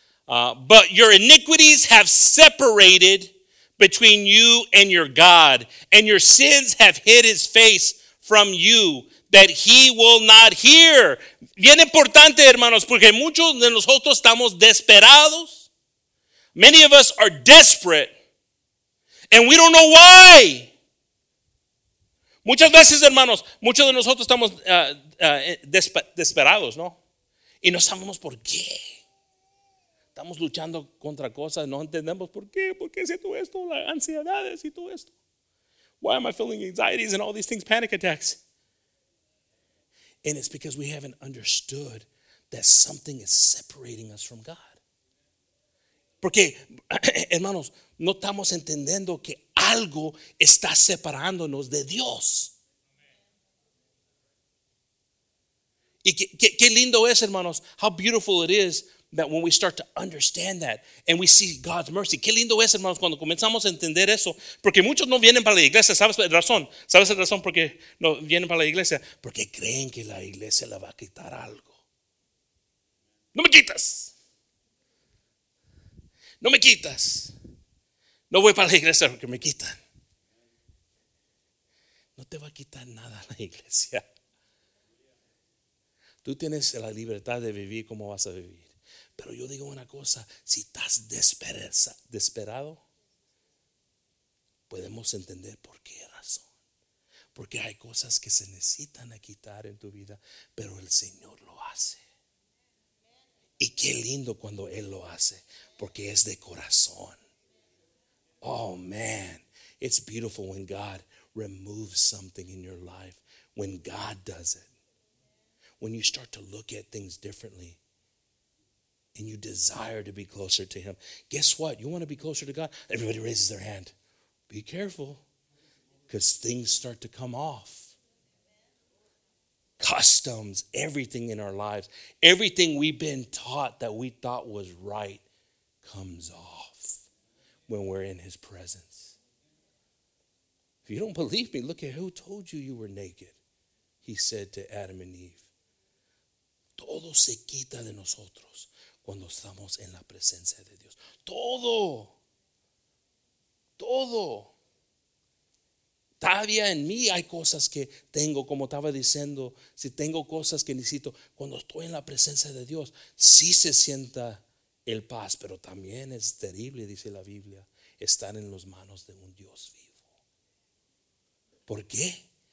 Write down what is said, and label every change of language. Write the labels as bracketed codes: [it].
[en] But your iniquities have separated between you and your God, and your sins have hid his face from you, that he will not hear. [es] Bien importante, hermanos, porque muchos de nosotros estamos desesperados. [en] Many of us are desperate, and we don't know why. [es] Muchas veces, hermanos, muchos de nosotros estamos desesperados, ¿no? Y no sabemos por qué. Estamos luchando contra cosas, no entendemos por qué. ¿Por qué siento esto? La ansiedad, siento esto. [en] Why am I feeling anxieties and all these things, panic attacks? And it's because we haven't understood that something is separating us from God. [es] Porque, hermanos, no estamos entendiendo que algo está separándonos de Dios. Y qué lindo es, hermanos, [en] how beautiful it is that when we start to understand that and we see God's mercy. [es] Qué lindo es, hermanos, cuando comenzamos a entender eso. Porque muchos no vienen para la iglesia. ¿Sabes la razón? ¿Sabes la razón por qué no vienen para la iglesia? Porque creen que la iglesia le va a quitar algo. No me quitas. No me quitas. No voy para la iglesia porque me quitan. No te va a quitar nada la iglesia. Tú tienes la libertad de vivir como vas a vivir. Pero yo digo una cosa, si estás desesperado, podemos entender por qué razón. Porque hay cosas que se necesitan a quitar en tu vida, pero el Señor lo hace. Y qué lindo cuando Él lo hace, porque es de corazón. [en] Oh man, it's beautiful when God removes something in your life, when God does it. When you start to look at things differently, and you desire to be closer to him. Guess what? You want to be closer to God? Everybody raises their hand. Be careful, because things start to come off. Customs, everything in our lives, everything we've been taught that we thought was right comes off when we're in his presence. If you don't believe me, look at who told you were naked. He said to Adam and Eve. [es] Todo se quita de nosotros cuando estamos en la presencia de Dios. Todo. Todo. Todavía en mí hay cosas que tengo, como estaba diciendo, si tengo cosas que necesito, cuando estoy en la presencia de Dios, sí se sienta el paz, pero también es terrible, dice la Biblia, estar en las manos de un Dios vivo. ¿Por qué?